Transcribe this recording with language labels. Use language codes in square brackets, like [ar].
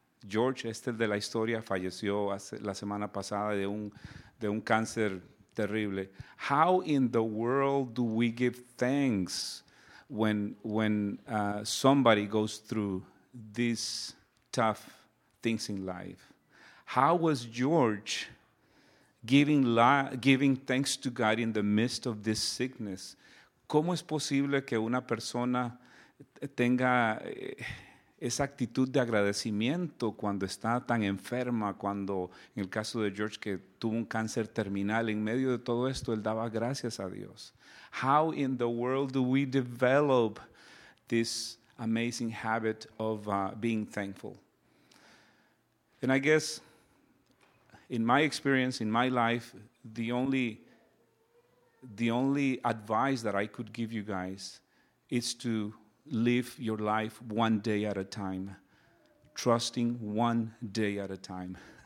[es] George, este de la historia, falleció la semana pasada de un cáncer terrible. [en] How in the world do we give thanks when somebody goes through these tough things in life? How was George giving thanks to God in the midst of this sickness? [es] ¿Cómo es posible que una persona tenga esa actitud de agradecimiento cuando está tan enferma, cuando en el caso de George que tuvo un cáncer terminal, en medio de todo esto él daba gracias a Dios? [en] How in the world do we develop this amazing habit of being thankful? And I guess in my experience, in my life, the only advice that I could give you guys is to live your life one day at a time, trusting one day at a time.